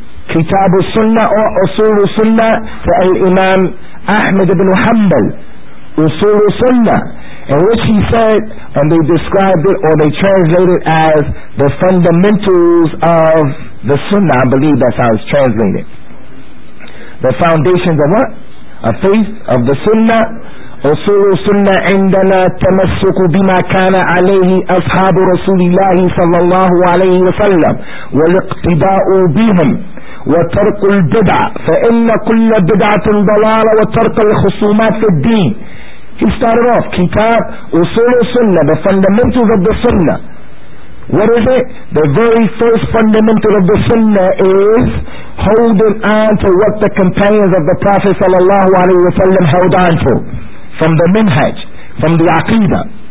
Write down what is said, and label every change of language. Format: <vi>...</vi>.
<en>Kitab al-Sunnah or Usul al-Sunnah to Al-Imam Ahmad ibn Hanbal, Usul al-Sunnah, in which he said, and they described it or they translated as the fundamentals of the Sunnah. I believe that's how it's translated. The foundations of what? A faith of the Sunnah.</en> <ar>أصول السنة عندنا تمسك بما كان عليه أصحاب رسول الله صلى الله عليه وسلم والاقتداء بهم وترك البدع فإن كل بدعة ضلالة وترك الخصومات في الدين.</ar> <en>He started off كتاب أصول السنة, the fundamentals of the Sunnah. What is it? The very first fundamental of the Sunnah is holding on to what the companions of the Prophet صلى الله عليه وسلم held on to, from the minhaj, from the aqidah,</en>